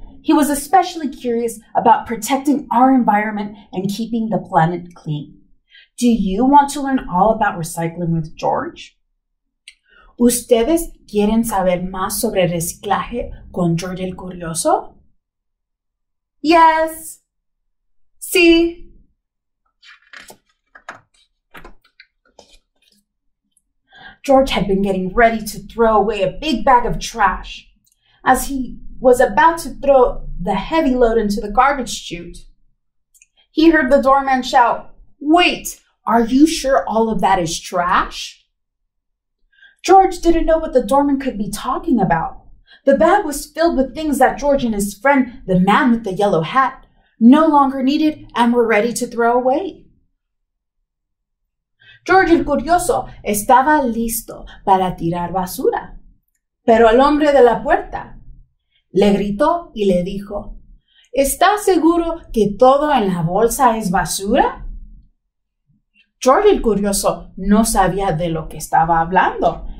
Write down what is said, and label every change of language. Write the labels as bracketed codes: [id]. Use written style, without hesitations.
[en] He was especially curious about protecting our environment and keeping the planet clean. Do you want to learn all about recycling with George? [es] ¿Ustedes quieren saber más sobre reciclaje con George el Curioso? [en] Yes. [es] Sí. [en] George had been getting ready to throw away a big bag of trash. As he was about to throw the heavy load into the garbage chute, he heard the doorman shout, "Wait, are you sure all of that is trash?" George didn't know what the doorman could be talking about. The bag was filled with things that George and his friend, the man with the yellow hat, no longer needed and were ready to throw away. [es] George el Curioso estaba listo para tirar basura. Pero el hombre de la puerta le gritó y le dijo, ¿Estás seguro que todo en la bolsa es basura? George el Curioso no sabía de lo que estaba hablando.